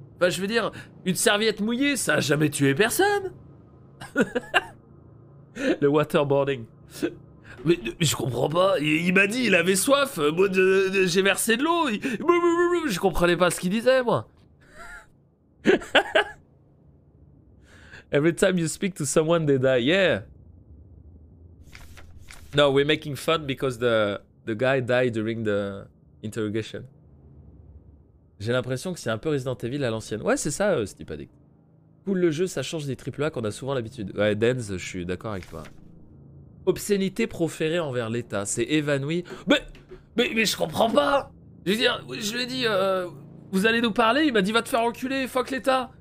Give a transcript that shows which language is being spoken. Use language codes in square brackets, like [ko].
[fr] Enfin, je veux dire, une serviette mouillée, ça a jamais tué personne. Le waterboarding. Mais je comprends pas, il m'a dit il avait soif, moi j'ai versé de l'eau, je comprenais pas ce qu'il disait moi. [en] Every time you speak to someone they die, yeah. No, we're making fun because the guy died during the interrogation. [fr] J'ai l'impression que c'est un peu Resident Evil à l'ancienne. Ouais c'est ça, Steve Addict. Cool le jeu, ça change des AAA qu'on a souvent l'habitude. Ouais Denz, je suis d'accord avec toi. Obscénité proférée envers l'État, c'est évanoui. Mais je comprends pas. Je veux dire, je lui ai dit, vous allez nous parler. Il m'a dit, va te faire enculer, fuck l'État.